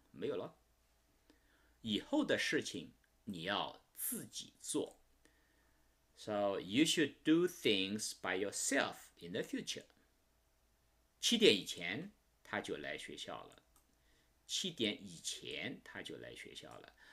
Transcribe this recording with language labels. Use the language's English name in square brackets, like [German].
[Chinese] 没有了。以后的事情你要自己做。 [English] So you should do things by yourself in the future. [Chinese] 七点以前他就来学校了。七点以前他就来学校了。